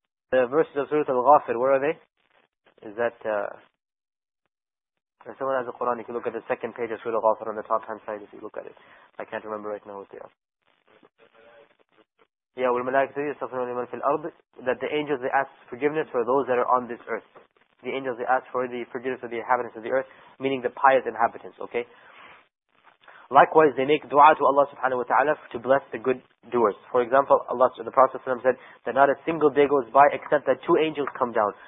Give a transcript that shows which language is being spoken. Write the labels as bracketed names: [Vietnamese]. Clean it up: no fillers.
[English] The verses of Surah Al-Ghafir, where are they? Is that... if someone has a Quran, you can look at the second page of Surah Al-Ghafir on the top hand side if you look at it. I can't remember right now what they are. [Arabic] Yeah, وَالْمَلَائِكَةُ يَسْتَغْفِرُونَ لِمَنْ فِي الْأَرْضِ. [English] That the angels, they ask forgiveness for those that are on this earth. The angels, they ask for the forgiveness of the inhabitants of the earth, meaning the pious inhabitants, okay? Likewise, they make dua to Allah subhanahu wa ta'ala to bless the good doers. For example, Allah, the Prophet ﷺ said that not a single day goes by except that two angels come down.